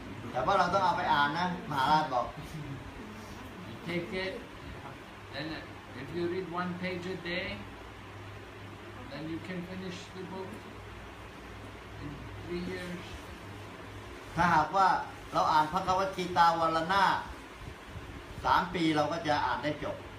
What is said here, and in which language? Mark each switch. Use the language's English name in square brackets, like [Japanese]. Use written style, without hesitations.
[Thai] แต่ว่าเราต้องเอาไปอ่านนะมหาราชบอก [English] You take it. Then if you read one page a day, then you can finish the book in 3 years. [Thai] ถ้าหากว่าเราอ่านพระคัมภีร์ตาวันละหน้า3ปีเราก็จะอ่านได้จบ